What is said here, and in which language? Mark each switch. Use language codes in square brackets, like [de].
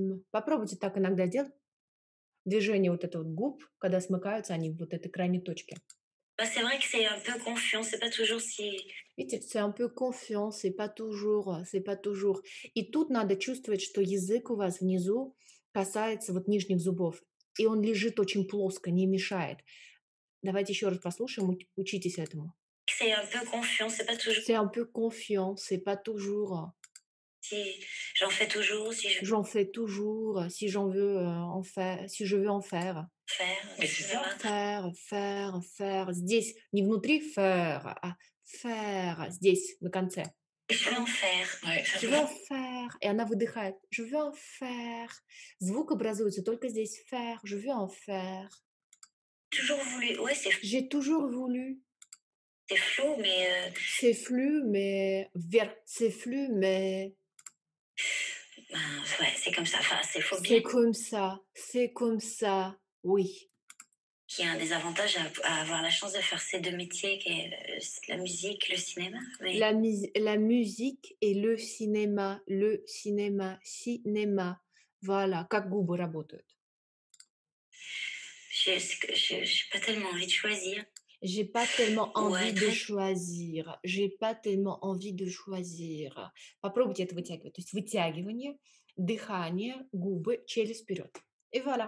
[ru] Попробуйте так иногда делать. Движение вот этого губ, когда смыкаются они в вот этой крайней точке. Видите, [fr] c'est un peu confiant, c'est pas toujours. [ru] И тут надо чувствовать, что язык у вас внизу касается вот нижних зубов. И он лежит очень плоско, не мешает. Давайте еще раз послушаем, учитесь этому. [fr] C'est un peu confiant, c'est pas toujours. C'est un peu confiant, c'est pas toujours. Si j'en fais toujours, si je... J'en fais toujours, si j'en veux en faire, si je veux en faire. Faire. [ru] Здесь, не внутри, faire, а faire, здесь, на конце. [fr] Je veux en faire. Ouais, je veux en faire. [ru] Et она выдыхает. [fr] Je veux en faire. [ru] Звук образуется только здесь. [fr] Faire, je veux en faire. Toujours voulu, ouais, c'est... J'ai toujours voulu. C'est flou, mais... C'est flou, mais... C'est flou, mais... Ben, ouais, c'est comme ça, enfin, c'est faux. C'est comme ça, c'est comme ça, oui. Qui a un désavantage à avoir la chance de faire ces deux métiers, qui est la musique, le cinéma. Mais... La musique et le cinéma, cinéma. Voilà, [ru] как губы работают. [fr] J'ai pas tellement envie de choisir. J'ai pas tellement envie de choisir. J'ai pas tellement envie de choisir. [ru] Попробуйте это вытягивать. То есть вытягивание, дыхание, губы, челюсть вперед. И voilà.